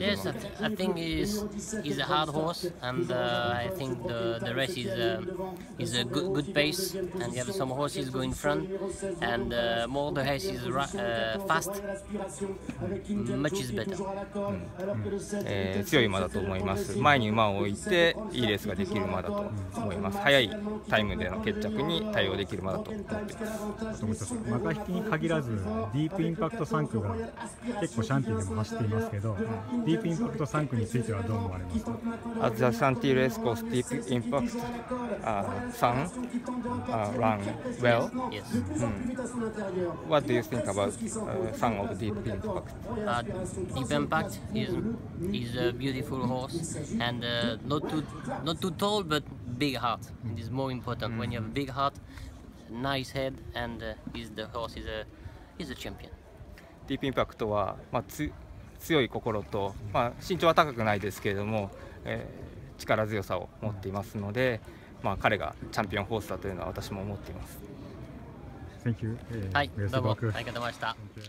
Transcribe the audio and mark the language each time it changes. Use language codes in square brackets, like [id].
[en] Yes, I think he's a hard horse, and I think the race is a good pace, and you have some horses go in front, and more the race is fast, much is better. [ja] 強い馬だと思います。前に馬を置いていいレースができる馬だと思います。早いタイムでの決着に対応できる馬だと思っています。マカヒキに限らずディープインパクト3区が結構シャンティでも走っていますけど、ディープインパクト3区についてはどう思われますか？ [en] アザシャンティレースコースディープインパクト3 run well、 yes. What do you think about some of deep impact? Deep impact is a beautiful horse. And not too tall, but big heart. It is more important when you have a big heart, nice head, and is the horse is a champion. [ja] Deep Impact は、まあ、強い心と、まあ、身長は高くないですけれども、力強さを持っていますので、まあ、彼がチャンピオンホースだというのは私も思っています。 [en] Thank you. [ja] はい、どうも。ありがとうございました。